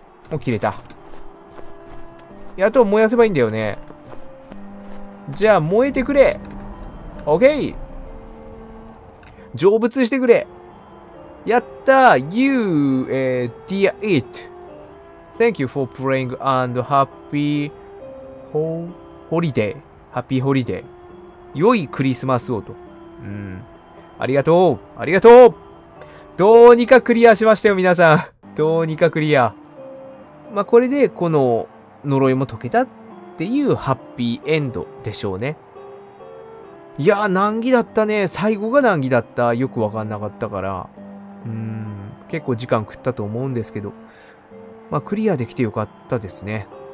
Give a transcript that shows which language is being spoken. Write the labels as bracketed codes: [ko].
[ja] もう切れた。やっと燃やせばいいんだよね。じゃあ、燃えてくれ !OK! 成仏してくれ、やった ! [en] You, dear it! Thank you for playing and happy holiday!Happy holiday! [ja] 良いクリスマスをと。うん。ありがとう！ありがとう！どうにかクリアしましたよ、皆さん。どうにかクリア。まあ、これで、この呪いも解けたっていうハッピーエンドでしょうね。いやー難儀だったね。最後が難儀だった。よく分かんなかったから、結構時間食ったと思うんですけど、まあクリアできてよかったですね。